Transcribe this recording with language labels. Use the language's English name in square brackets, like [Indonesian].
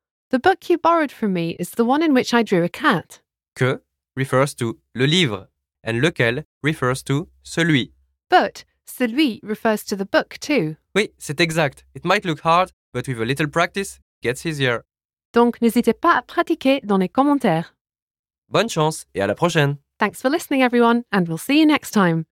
[English] The book you borrowed from me is the one in which I drew a cat. Que refers to le livre, and lequel refers to celui. But celui refers to the book too. [French] Oui, c'est exact. [English] It might look hard, but with a little practice, it gets easier. [French] Donc n'hésitez pas à pratiquer dans les commentaires. Bonne chance et à la prochaine. [English] Thanks for listening everyone, and we'll see you next time.